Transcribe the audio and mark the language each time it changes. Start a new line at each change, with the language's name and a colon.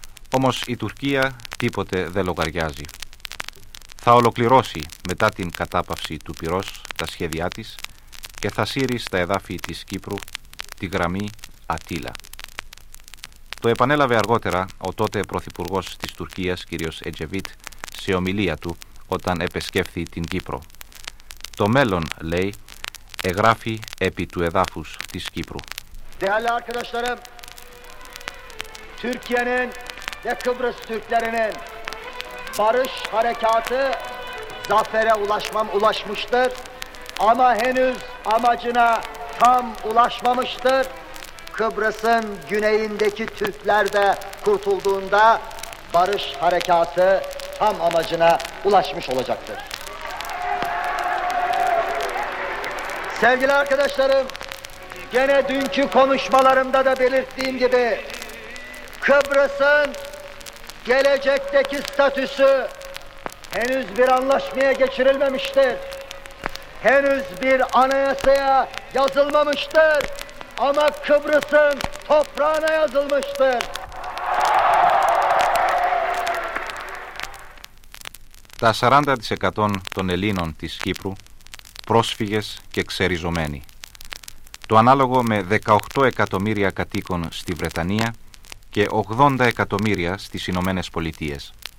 Greek: Όμως η Τουρκία τίποτε δεν λογαριάζει. Θα ολοκληρώσει μετά την κατάπαυση του πυρός τα σχέδιά της και θα σύρει στα εδάφη της Κύπρου τη γραμμή Ατίλα. Το επανέλαβε αργότερα ο τότε πρωθυπουργός της Τουρκίας, κ. Ecevit, σε ομιλία του όταν επεσκέφθη την Κύπρο. Το μέλλον, λέει, εγγράφει επί του εδάφους της Κύπρου.
Turkish: Değerli arkadaşlarım, Türkiye'nin ve Kıbrıs Türklerinin barış harekatı zafere ulaşmıştır. Ama henüz amacına tam ulaşmamıştır. Kıbrıs'ın güneyindeki Türkler de kurtulduğunda barış harekatı tam amacına ulaşmış olacaktır. Sevgili arkadaşlarım, gene dünkü konuşmalarımda da belirttiğim gibi Kıbrıs'ın gelecekteki statüsü henüz bir anlaşmaya geçirilmemiştir. Henüz bir anayasaya yazılmamıştır ama Kıbrıs'ın toprağına yazılmıştır.
Greek: Τα 40% των Ελλήνων της Κύπρου πρόσφυγες και ξεριζωμένοι. Το ανάλογο με 18 εκατομμύρια κατοίκων στη Βρετανία και 80 εκατομμύρια στις Ηνωμένες Πολιτείες.